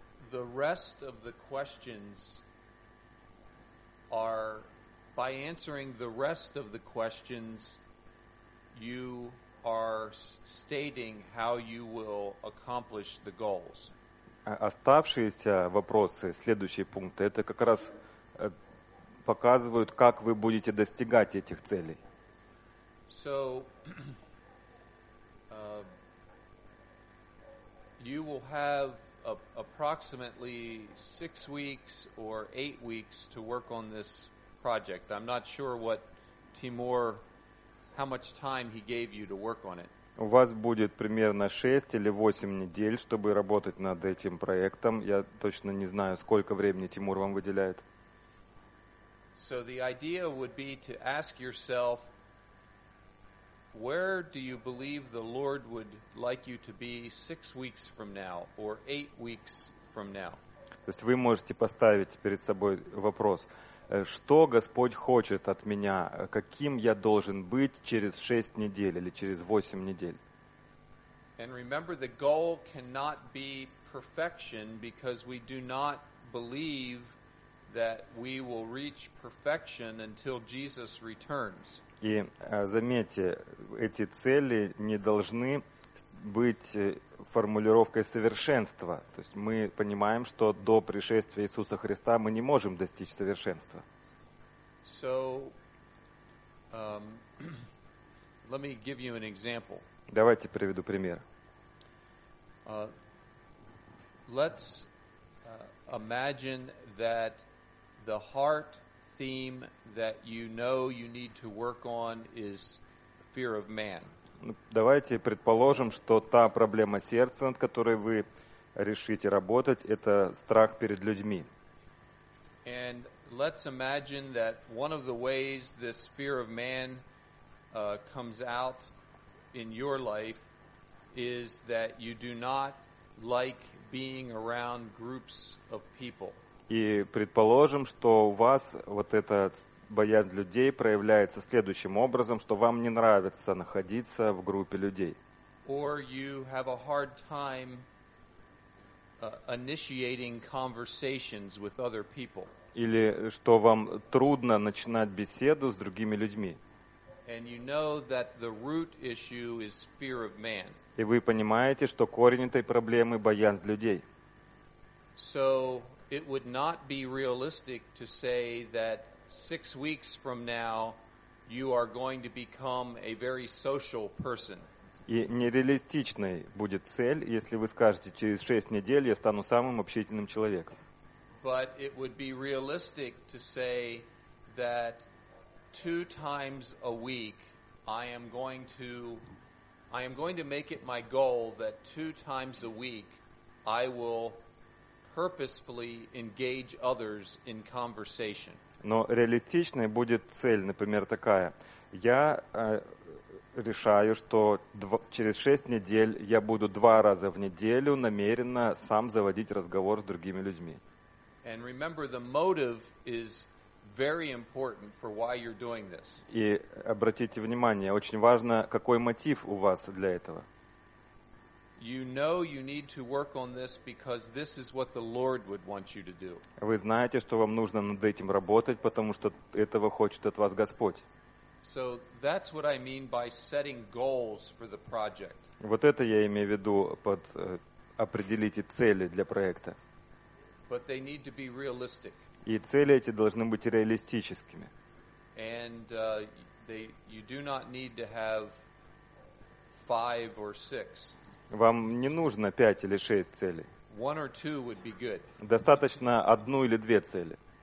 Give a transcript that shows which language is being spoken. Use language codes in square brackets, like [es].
[en] The rest of the questions are... By answering the rest of the questions, you are stating how you will accomplish the goals. [ru] Оставшиеся вопросы, следующие пункты, это как раз показывают, как вы будете достигать этих целей. [en] So, you will have approximately 6 weeks or 8 weeks to work on this project. I'm not sure what Timur, how much time he gave you to work on it. [ru] У вас будет примерно 6 или 8 недель, чтобы работать над этим проектом. Я точно не знаю, сколько времени Тимур вам выделяет. [en] So the idea would be to ask yourself, where do you believe the Lord would like you to be 6 weeks from now or 8 weeks from now? [ru] То есть вы можете поставить перед собой вопрос: что Господь хочет от меня, каким я должен быть через 6 недель или через 8 недель? [en] And remember, the goal cannot be perfection, because we do not believe that we will reach perfection until Jesus returns. [ru] И заметьте, эти цели не должны быть формулировкой совершенства. То есть мы понимаем, что до пришествия Иисуса Христа мы не можем достичь совершенства. [en] So, let me give you an example. [ru] Давайте приведу пример. [en] Let's imagine that the heart theme that you know you need to work on is fear of man. [ru] Давайте предположим, что та проблема сердца, над которой вы решите работать, это страх перед людьми. [en] And let's imagine that one of the ways this fear of man comes out in your life is that you do not like being around groups of people. [ru] И предположим, что у вас вот эта боязнь людей проявляется следующим образом, что вам не нравится находиться в группе людей. [en] Or you have a hard time initiating conversations with other people. [ru] Или что вам трудно начинать беседу с другими людьми. [en] And you know that the root issue is fear of man. [ru] И вы понимаете, что корень этой проблемы – боязнь людей. [en] So it would not be realistic to say that 6 weeks from now you are going to become a very social person. [ru] И нереалистичной будет цель, если вы скажете, через 6 недель я стану самым общительным человеком. [en] But it would be realistic to say that 2 times a week I am going to make it my goal that 2 times a week I will purposefully engage others in conversation. [ru] Но реалистичной будет цель, например, такая. Я решаю, что через 6 недель я буду 2 раза в неделю намеренно сам заводить разговор с другими людьми. [en] And remember, the motive is very important for why you're doing this. [ru] И обратите внимание, очень важно, какой мотив у вас для этого. [en] You know you need to work on this because this is what the Lord would want you to do. [ru] Вы знаете, что вам нужно над этим работать, потому что этого хочет от вас Господь. [en] So that's what I mean by setting goals for the project. [ru] Вот это я имею в виду под определите цели для проекта. [en] But they need to be realistic. [ru] И цели эти должны быть реалистическими. [en] And you do not need to have 5 or 6. [ru] Вам не нужно 5 или 6 целей. [en] One or two would be good. [ru] Достаточно 1 или 2 цели.